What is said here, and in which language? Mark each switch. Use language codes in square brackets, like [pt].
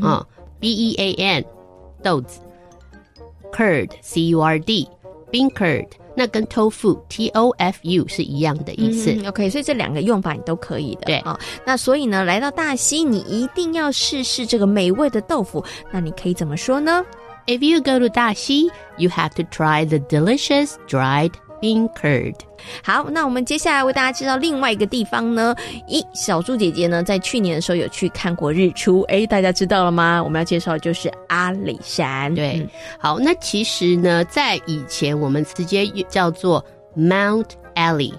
[en] 哦、B-E-A-N 豆子 curd C-U-R-D bean curd， 那跟 tofu T-O-F-U [zh] 是一样的意思、嗯、OK， 所以这两个用法你都可以的。对、哦、那所以呢，来到大溪你一定要试试这个美味的豆腐，那你可以怎么说呢？ [en] If you go to 大溪, you have to try the delicious dried bean curd. [zh] 好，那我们接下来为大家介绍另外一个地方呢。咦，小猪姐姐呢，在去年的时候有去看过日出。哎，大家知道了吗？我们要介绍的就是阿里山。对、嗯，好，那其实呢，在以前我们直接叫做 Mount Ali。